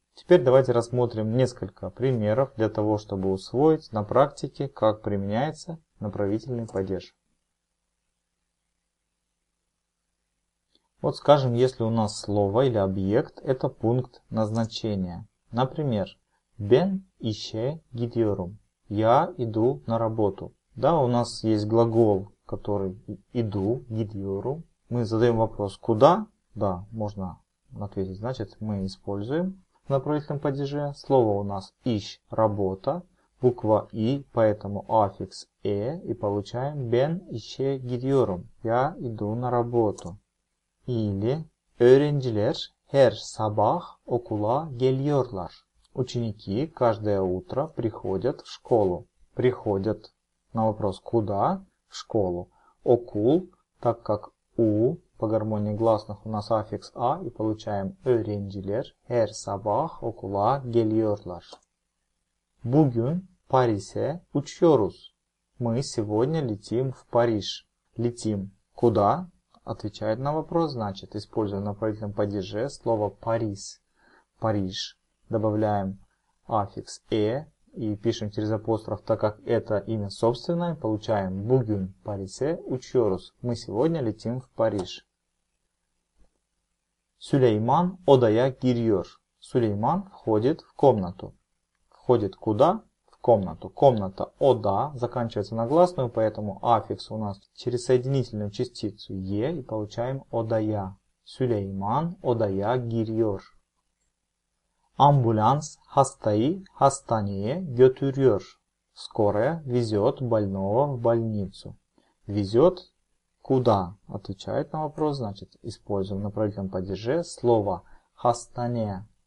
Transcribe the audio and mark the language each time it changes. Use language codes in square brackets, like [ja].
[ru] Теперь давайте рассмотрим несколько примеров для того, чтобы усвоить на практике, как применяется направительный падеж. Вот скажем, если у нас слово или объект, это пункт назначения. Например, [tr] Ben ishe gidiyorum. [ru] Я иду на работу. Да, у нас есть глагол, который иду, gidiyorum. Мы задаем вопрос, куда? Да, можно ответить. Значит, мы используем в направительном падеже. Слово у нас ish, работа. Буква и, поэтому аффикс e. И получаем [tr] Ben ishe gidiyorum. [ru] Я иду на работу. [tr] Или öğrenciler her sabah okula geliyorlar. [ru] Ученики каждое утро приходят в школу. Приходят на вопрос куда? В школу. Окул, так как у по гармонии гласных у нас аффикс а, и получаем [tr] öğrenciler her sabah okula geliyorlar. Bugün Paris'e uçuyoruz. [ru] Мы сегодня летим в Париж. Летим куда? Отвечает на вопрос, значит, используя направительном падеже слово Paris, Париж. Добавляем аффикс «э» и пишем через апостроф, так как это имя собственное. Получаем [tr] «Bugün Paris'e uçuyoruz». [ru] Мы сегодня летим в Париж. [tr] Сулейман odaya giriyor. [ru] Сулейман входит в комнату. Входит куда? В комнату. Комната «ода» заканчивается на гласную, поэтому аффикс у нас через соединительную частицу «е» и получаем «odaya». [tr] Сулейман odaya giriyor. Амбулянс хастаи хастанее гетюрьер. [ru] Скорая везет больного в больницу. Везет куда? Отвечает на вопрос. Значит, используем на правильном падеже слово хастане.